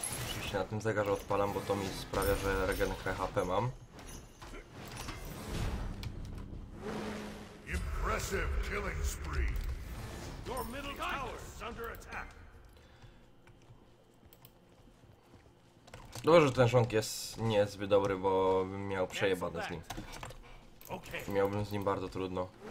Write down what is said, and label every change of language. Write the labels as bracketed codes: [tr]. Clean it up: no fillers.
[pl] Oczywiście na tym zegarze odpalam, bo to mi sprawia, że regenerę HP mam. [en] Impressive killing spree. Your middle tower is under attack. [pl] Dobrze, że ten szonk jest niezbyt dobry, bo bym miał przejebane z nim. Miałbym z nim bardzo trudno.